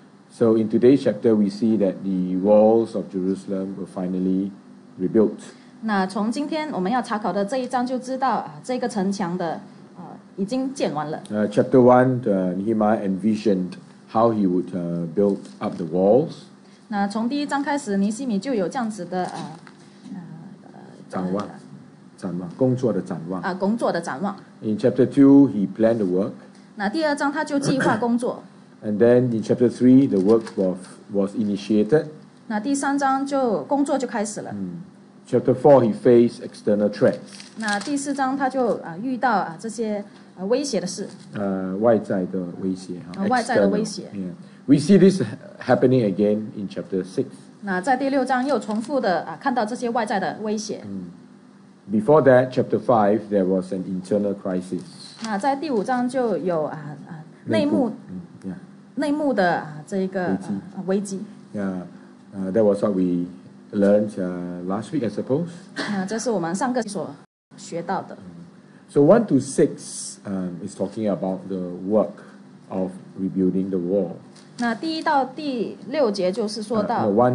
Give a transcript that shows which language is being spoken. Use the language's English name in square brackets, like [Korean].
[English] So in today's chapter, we see that the walls of Jerusalem were finally rebuilt. [Chinese] 那从今天我们要查考的这一章就知道，这个城墙的已经建完了。 [English] Chapter 1, Nehemiah envisioned how he would build up the walls. [Chinese] 那从第一章开始，尼希米就有这样子的展望，工作的展望。 [English] In Chapter 2, he planned the work. [Chinese] 那第二章他就计划工作。 [English] And then in Chapter 3, the work was initiated. [Chinese] 那第三章就工作就开始了。 [English] Chapter 4, he faced external threats. [Chinese] 那第四章他就遇到这些威胁的事。外在的威胁。外在的威胁。 [English] We see this happening again in Chapter 6. [Chinese] 那在第六章又重复的看到这些外在的威胁。 [English] Before that, Chapter 5, there was an internal crisis. [Chinese] 那在第五章就有内幕的这个危机。 [English] That was what we learned last week, I suppose. [Chinese] 这是我们上个所学到的。 [English] So 1 to 6 is talking about the work of rebuilding the wall. [Chinese] 那第一到第六节就是说到